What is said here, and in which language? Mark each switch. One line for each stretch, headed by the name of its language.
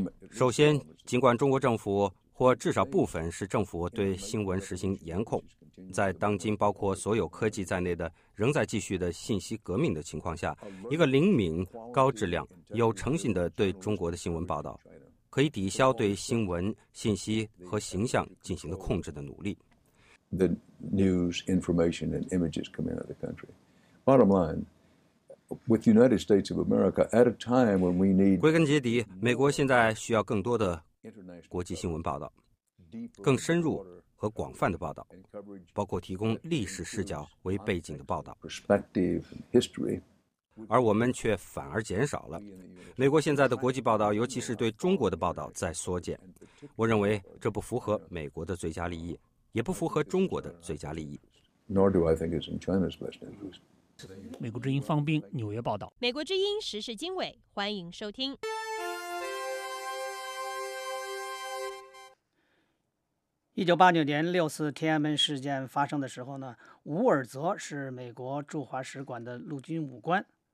Chinese: 首先，尽管中国政府或至少部分是政府对新闻实行严控，在当今包括所有科技在内的仍在继续的信息革命的情况下，一个灵敏、高质量、有诚信的对中国的新闻报道，可以抵消对新闻信息和形象进行的控制的努力。
English: The news, information, and images come out of the country. Bottom line. With United States of America, at a time when we need
Chinese: 归根结底，美国现在需要更多的国际新闻报道，更深入和广泛的报道，包括提供历史视角为背景的报道。
English: Perspective history,
Chinese: 而我们却反而减少了。美国现在的国际报道，尤其是对中国的报道在缩减。我认为这不符合美国的最佳利益，也不符合中国的最佳利益。
English: Nor do I think it's in China's best interest.
Chinese: 美国之音方兵纽约报道。美国之音时事经纬，欢迎收听。 1989年六四天安门事件发生的时候呢，伍尔泽是美国驻华使馆的陆军武官。